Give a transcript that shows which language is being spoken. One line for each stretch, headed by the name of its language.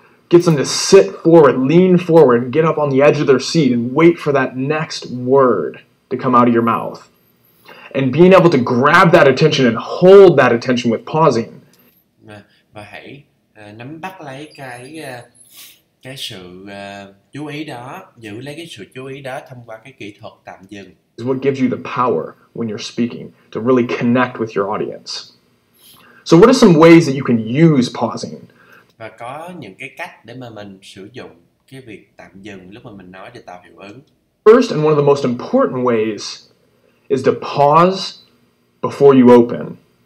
English: Gets them to sit forward, lean forward, get up on the edge of their seat and wait for that next word to come out of your mouth. And being able to grab that attention and hold that attention with pausing.
Vietnamese: Và hãy nắm bắt lấy cái sự chú ý đó, giữ lấy cái sự chú ý đó thông qua cái kỹ thuật tạm dừng.
English: Is what gives you the power when you're speaking to really connect with your audience. So what are some ways that you can use pausing?
Vietnamese: Và có những cái cách để mà mình sử dụng cái việc tạm dừng lúc mà mình nói để tạo hiệu ứng.
English: First and one of the most important ways is to pause before you open.